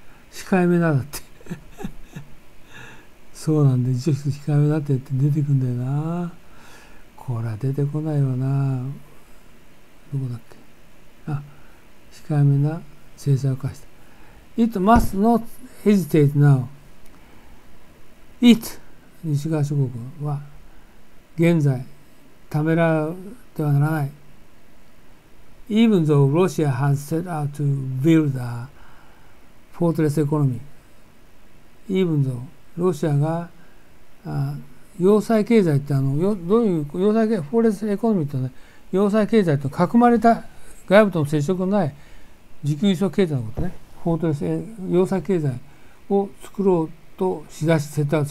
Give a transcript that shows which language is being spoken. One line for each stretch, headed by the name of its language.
Japanese: 控えめだってそうなんで、一応控えめだって出てくんだよな。これは出てこないよな。どこだっけ、あ、控えめな制裁を課した。
English: It must not hesitate now.
Japanese: It 西側諸国は現在ためらってはならない。
English: Even though Russia has set out to build a
Japanese: フォートレスエコノミー、イーブンゾー、ロシアが要塞経済ってどういう要塞経済、フォートレスエコノミーってのは、ね、要塞経済と囲まれた外部との接触のない自給自足経済のことね、フォートレス要塞経済を作ろうとしだして